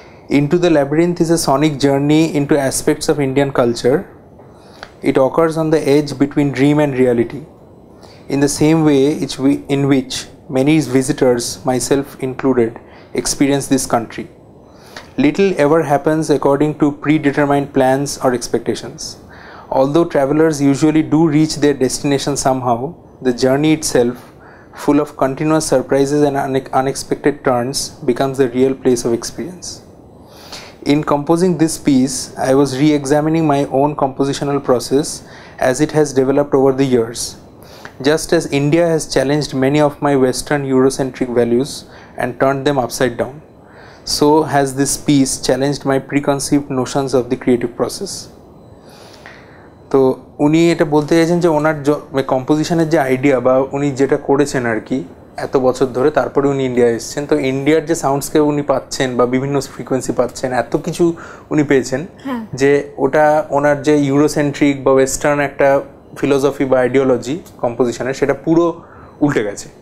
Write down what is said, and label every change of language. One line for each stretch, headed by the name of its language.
English: Into the labyrinth is a sonic journey into aspects of Indian culture. It occurs on the edge between dream and reality in the same way each in which many visitors myself included experience this country. Little ever happens according to predetermined plans or expectations. Although travelers usually do reach their destination somehow, the journey itself, full of continuous surprises and unexpected turns, becomes the real place of experience. In composing this piece, I was re-examining my own compositional process as it has developed over the years. Just as India has challenged many of my Western Eurocentric values and turned them upside down, so has this piece challenged my preconceived notions of the creative process.
Bangla: তো উনি এটা বলতে চাইছেন যে ওনার কম্পোজিশনের যে idea বা উনি যেটা করেছেন আর কি এত বছর ধরে, তারপরে উনি ইন্ডিয়ায় এসেছেন, তো ইন্ডিয়ার যে সাউন্ডস্কেপ উনি পাচ্ছেন বা বিভিন্ন ফ্রিকোয়েন্সি পাচ্ছেন, এত কিছু উনি পেয়েছেন যে ওটা ওনার যে ইউরোসেন্ট্রিক বা ওয়েস্টার্ন একটা ফিলোসফি বা আইডিওলজি কম্পোজিশনের, সেটা পুরো উল্টে গেছে